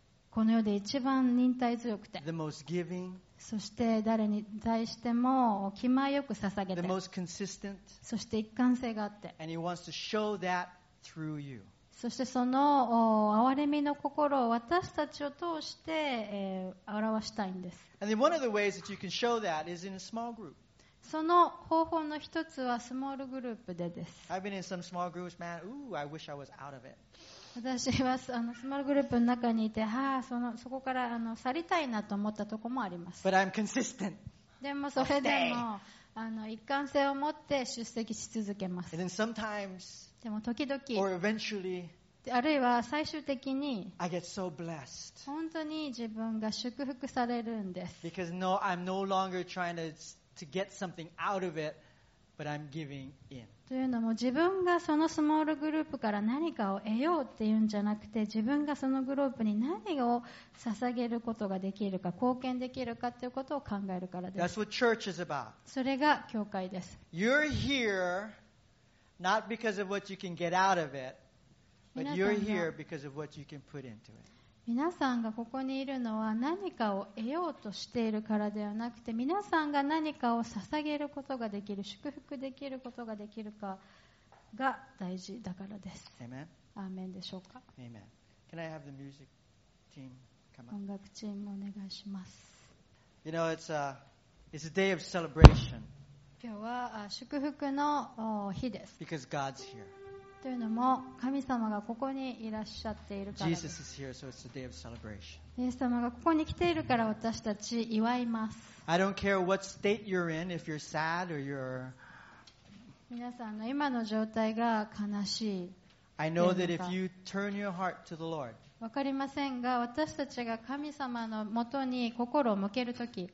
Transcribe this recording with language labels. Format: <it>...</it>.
<ja>この世で一番忍耐強くて、</ja> <en>the most giving,</en> <ja>そして誰に対しても気前よく捧げて、</ja> <en>the most consistent,</en> <ja>そして一貫性があって、</ja> <en>and he wants to show that through you.</en> <ja>そしてその憐れみの心を私たちを通して、表したいんです。</ja> <en>And then one of the ways that you can show that is in a small group.</en> <ja>その方法の一つはスモールグループでです。</ja> <en>I've been in some small groups, man. Ooh, I wish I was out of it.</en> <ja>私はスモールグループの中にいて、はあ、そこから去りたいなと思ったところもあります。</ja> <en>But I'm consistent.</en> <ja>でもそれでも一貫性を持って出席し続けます。</ja> <en>And then sometimes,</en> <ja>でも時々</ja> <en>or eventually,</en> <ja>あるいは最終的に、</ja> <en>I get so blessed.</en> <ja>本当に自分が祝福されるんです。</ja> <en>Because no, I'm no longer trying toTo get something out of it, but I'm giving in.</en> <ja>というのも自分がそのスモールグループから何かを得ようっていうんじゃなくて、自分がそのグループに何を捧げることができるか、貢献できるかっていうことを考えるからです。</ja> <en>That's what church is about.</en> <ja>それが教会です。</ja> <en>You're here not because of what you can get out of it, but you're here because of what you can put into it.</en> <ja>皆さんがここにいるのは何かを得ようとしているからではなくて、皆さんが何かを捧げることができる、祝福できることができるかが大事だからです。</ja> <en>Amen.</en> <ja>アーメンでしょうか。</ja> <en>Amen. Can I have the music team come</en> <ja>on? 音楽チームお願いします。</ja> <en>You know, it's a day of celebration.</en> <ja>今日は祝福の日です。</ja> <en>Because God's here.</en> <ja>というのも神様がここにいらっしゃっているからです。</ja> <en>Jesus is here, so it's a day of celebration.</en> <ja>イエス様がここに来ているから私たち祝います。</ja> <en>I don't care what state you're in, if you're sad or you're</en> <ja>皆さんの今の状態が悲しい、</ja> <en>I know that if you turn your heart to the Lord,</en> <ja>分かりませんが、私たちが神様のもとに心を向けるとき、</ja>